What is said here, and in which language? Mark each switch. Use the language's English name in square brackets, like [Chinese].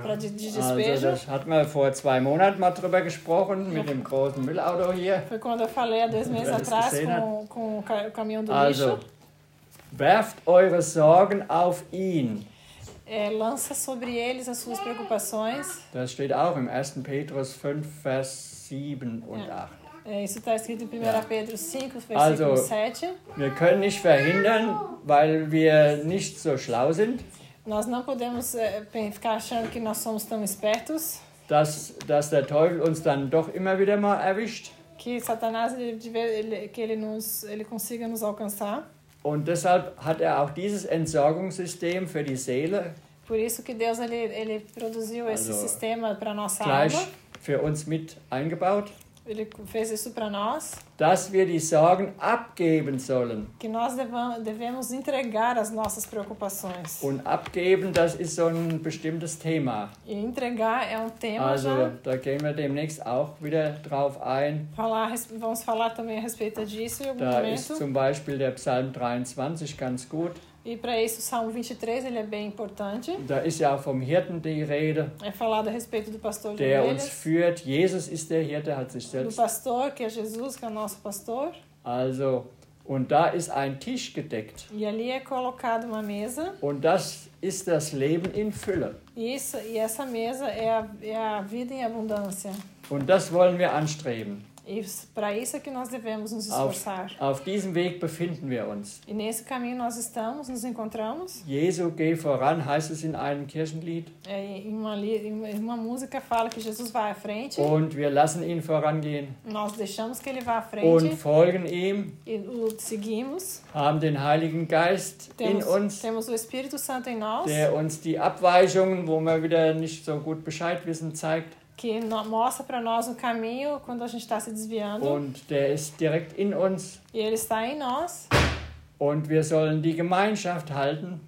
[German] Also das hat man vor zwei Monaten mal drüber gesprochen, mit dem großen Müllauto hier. [Portuguese] Foi quando eu falei há dois meses atrás com o caminhão do [German] also, [Portuguese] lixo. [German] Werft eure Sorgen auf ihn. [Portuguese] Lança sobre eles as suas preocupações. [German] Das steht auch im 1. Petrus 5, Vers 7 und 8. [Portuguese] Isso está escrito em 1 Pedro 5, versículo 7. [German] Wir können nicht verhindern, weil wir nicht so schlau sind. [Portuguese] Nós não podemos ficar achando que nós somos tão espertos. [German] Dass der Teufel uns dann doch immer wieder mal erwischt. [Portuguese] Que Satanás ele consiga nos alcançar. [German] Und deshalb hat auch dieses Entsorgungssystem für die Seele. [Portuguese] Por isso que Deus ele produziu [German] also, [Portuguese] esse sistema para nossa [German] gleich [Portuguese] alma. [German] Für uns mit eingebaut. [Portuguese] Ele fez isso para nós. [German] Dass wir die Sorgen abgeben sollen. [Portuguese] Que nós devemos entregar as nossas preocupações. [German] Und abgeben, das ist so ein bestimmtes Thema. [Portuguese] E entregar é tema [German] also, [Portuguese] já. [German] Da gehen wir demnächst auch wieder drauf ein. [Portuguese] Vamos falar também a respeito disso em algum [German] da [Portuguese] momento. [German] Da ist zum Beispiel der Psalm 23 ganz gut. [Portuguese] E para isso, o Salmo 23 ele é bem importante. [German] Da ist ja vom Hirten die Rede. [Portuguese] É falado a respeito do pastor de ovelhas. [German] Der uns führt. Jesus ist der Hirte, hat sich selbst. [Portuguese] Do pastor, que é Jesus, que é o nosso pastor. [German] Also, und da ist ein Tisch gedeckt. [Portuguese] E ali é colocado uma mesa. [German] Und das ist das Leben in Fülle. [Portuguese] E essa mesa é a vida em abundância. [German] Und das wollen wir anstreben. [Portuguese] E para isso é que nós devemos nos esforçar. [German] Auf diesem Weg befinden wir uns. [Portuguese] E nesse caminho nós estamos, nos encontramos. [German] Jesu, geh voran, heißt es in einem Kirchenlied. [Portuguese] Em uma música fala que Jesus vai à frente. [German] Und wir lassen ihn vorangehen. [Portuguese] Nós deixamos que ele vá à frente. [German] Und folgen ihm. [Portuguese] E o seguimos. [German] Haben den Heiligen Geist in uns. [Portuguese] Temos o Espírito Santo em nós. [German] Der uns die Abweichungen, wo wir wieder nicht so gut Bescheid wissen, zeigt. [Portuguese] que no, mostra para nós o caminho quando a gente está se desviando. [German] Und der ist direkt in uns. [Portuguese] E ele está em nós. [German] Und wir sollen die Gemeinschaft halten.